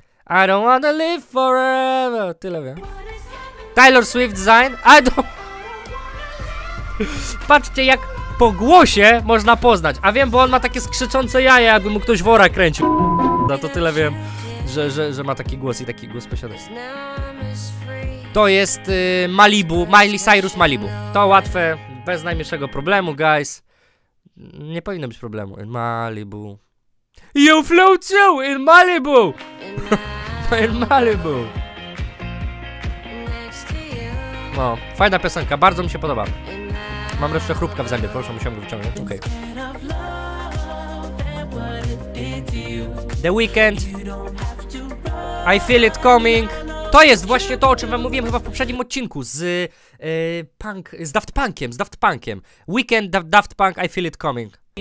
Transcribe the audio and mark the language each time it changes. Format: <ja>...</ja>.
<en>I don't wanna live forever.</en> <pl>Tyle wiem. Taylor Swift, Zayn. I don't... Patrzcie, jak po głosie można poznać. A wiem, bo on ma takie skrzyczące jaje, jakby mu ktoś wora kręcił. No to tyle wiem, że ma taki głos i taki głos posiada. To jest Malibu. Miley Cyrus, Malibu. To łatwe, bez najmniejszego problemu, guys. Nie powinno być problemu. Malibu.</pl> <en>You flew too in Malibu! In Malibu!</en> <pl>No, fajna piosenka, bardzo mi się podoba. Mam resztę chrupka w zębie, proszę, musiałem go wyciągnąć, okej.</pl> <en>The Weeknd. I feel it coming.</en> <pl>To jest właśnie to, o czym wam mówiłem chyba w poprzednim odcinku z punk, z Daft Punkiem, Weekend Daft Punk, I feel it coming.</pl>